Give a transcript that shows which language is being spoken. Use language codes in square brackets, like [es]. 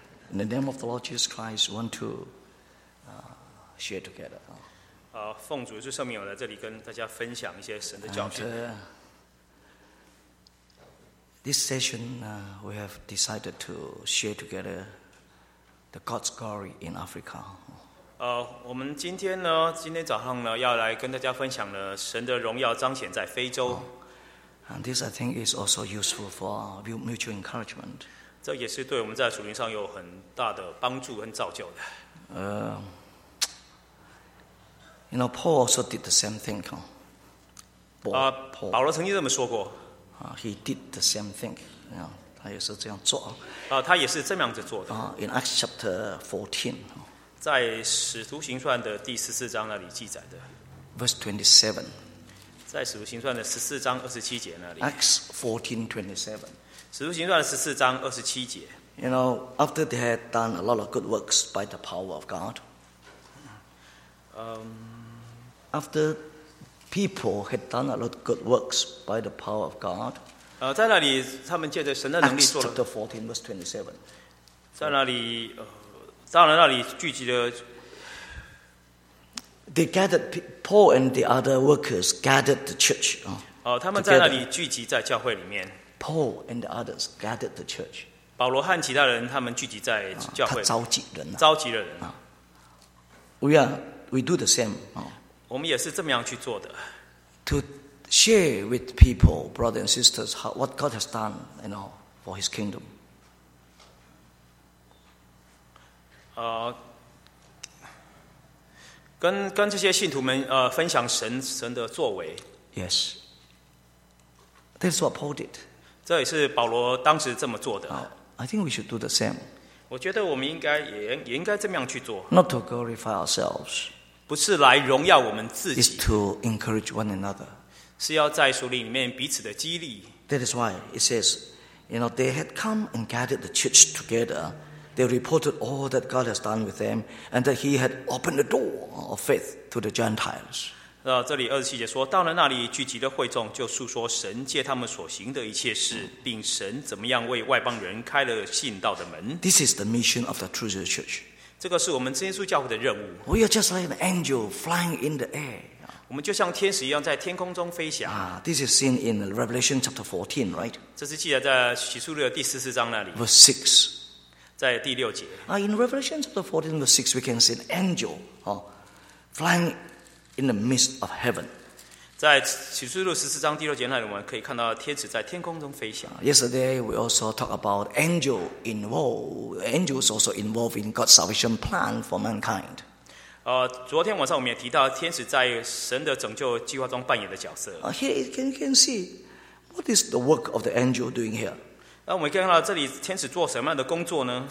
[en] In the name of the Lord Jesus Christ, we want to share together. [zh] 奉主耶稣圣名，我来这里跟大家分享一些神的教训。 [en] This session, we have decided to share together the God's glory in Africa. [zh] 我们今天呢，今天早上呢，要来跟大家分享呢，神的荣耀彰显在非洲。 [en] And this, I think, is also useful for mutual encouragement. [zh] 这也是对我们在属灵上有很大的帮助和造就的。 [en] You know, Paul also did the same thing. [zh] Paul. 保罗曾经这么说过。 [en] He did the same thing. You know, [zh] 他也是这样做。他也是这样子做的。 [en] In Acts chapter 14. [zh] 在《使徒行传》的第十四章那里记载的。 [en] Verse 27. [zh] 在《使徒行传》的十四章二十七节那里。 [en] Acts 14:27. [zh] 使徒行传十四章二十七节。 [en] You know, after they had done a lot of good works by the power of God. After people had done a lot of good works by the power of God, [zh] 在那里他们借着神的能力做了。 [en] Acts chapter 14, verse 27. [zh] 在那里，当然那里聚集的。 [en] They gathered Paul and the other workers gathered the church. [zh] 他们在那里聚集在教会里面。 [en] Paul and the others gathered the church. [zh] 保罗和其他人他们聚集在教会。他召集人。召集了人。 [en] We do the same. [zh] 我们也是这么样去做的。 [en] To share with people, brothers and sisters, what God has done, you know, for His kingdom. [zh] 跟这些信徒们分享神的作为。 [en] Yes. That's what Paul did. [zh] 这也是保罗当时这么做的。 [en] I think we should do the same. [zh] 我觉得我们应该这么样去做。 [en] Not to glorify ourselves. [zh] 不是来荣耀我们自己 [en] is to encourage one another. [zh] 是要在属灵里面彼此的激励。 [en] That is why it says, you know, they had come and gathered the church together. They reported all that God has done with them and that He had opened the door of faith to the Gentiles. [zh] 这里二十七节说，到了那里聚集的会众就述说神借他们所行的一切事，并神怎么样为外邦人开了信道的门。 [en] This is the mission of the true church. [zh] 这个是我们真耶稣教会的任务。 [en] We are just like an angel flying in the air. [zh] 我们就像天使一样在天空中飞翔。 [en] This is seen in Revelation chapter 14, right? [zh] 这是记载在启示录的第十四章那里。 [en] Verse 6. [zh] 在第六节。 [en] In Revelation chapter 14, verse 6, we can see an angel flying in the midst of heaven. [zh] 在启示录十四章第六节那里，我们可以看到天使在天空中飞翔。 [en] Yesterday, we also talked about angels also involved in God's salvation plan for mankind. [zh] 昨天晚上我们也提到天使在神的拯救计划中扮演的角色。 [en] Here you can see what is the work of the angel doing here. [zh] 我们可以看到这里天使做什么样的工作呢